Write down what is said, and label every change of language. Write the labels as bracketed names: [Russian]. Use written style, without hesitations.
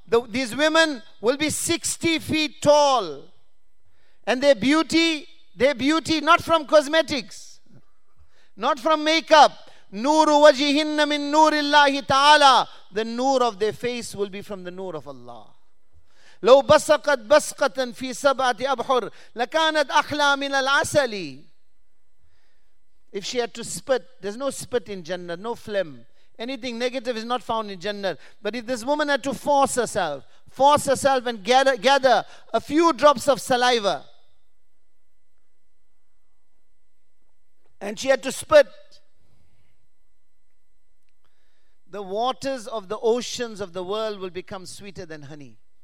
[English] These women will be 60 feet tall. And their beauty, not from cosmetics, not from makeup. [Arabic] Nuru wajihinna min nurillahi ta'ala. [English] The nur of their face will be from the nur of Allah. [Arabic] لو بسقت بسقة في سبعة أبحر لكانت أحلى من العسل. [English] If she had to spit, there's no spit in Jannah, no phlegm. Anything negative is not found in Jannah. But if this woman had to force herself and gather a few drops of saliva, and she had to spit, the waters of the oceans of the world will become sweeter than honey.